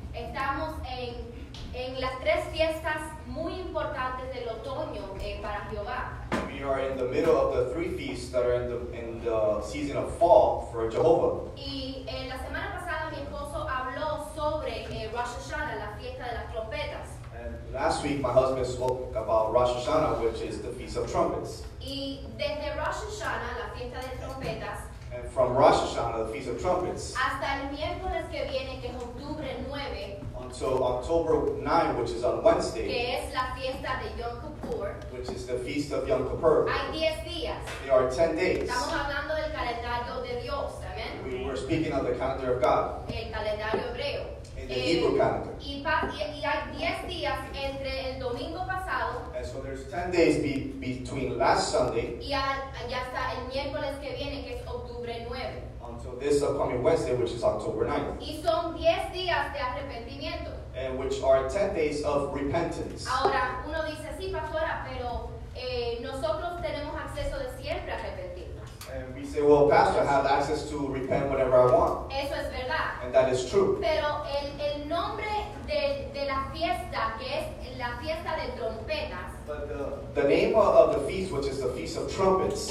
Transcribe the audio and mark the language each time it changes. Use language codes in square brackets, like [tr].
[es] Estamos en las tres fiestas muy importantes del otoño para Jehová. [en] We are in the middle of the three feasts that are in the season of fall for Jehovah. [es] Y la semana pasada mi esposo habló sobre Rosh Hashanah, la fiesta de las trompetas. [en] And last week my husband spoke about Rosh Hashanah, which is the Feast of Trumpets. [es] Y desde Rosh Hashanah, la fiesta de trompetas, [en] and from Rosh Hashanah, the Feast of Trumpets, [es] hasta el miércoles que viene, que es octubre 9, [en] until October 9, which is on Wednesday, [es] que es la fiesta de Yom Kippur, [en] which is the Feast of Yom Kippur, [es] hay 10 días. [en] There are 10 days. [es] Estamos hablando del calendario de Dios, amen? [en] We were speaking of the calendar of God. [es] El calendario hebreo. [en] In the Hebrew calendar. [es] Y hay 10 días entre el domingo pasado. [en] And so there's 10 days between last Sunday. [es] Y hasta el miércoles que viene, que es [en] until this upcoming Wednesday, which is October 9th. [es] Y son 10 días de arrepentimiento. [en] And which are 10 days of repentance. [es] Ahora, uno dice, sí, pastora, pero nosotros tenemos acceso de siempre arrepentirnos. [en] And we say, well, pastor, I have access to repent whenever I want. [es] Eso es verdad. [en] And that is true. [es] Pero el nombre de la fiesta, que es la fiesta de trompetas. [en] But the name of the feast, which is the Feast of Trumpets.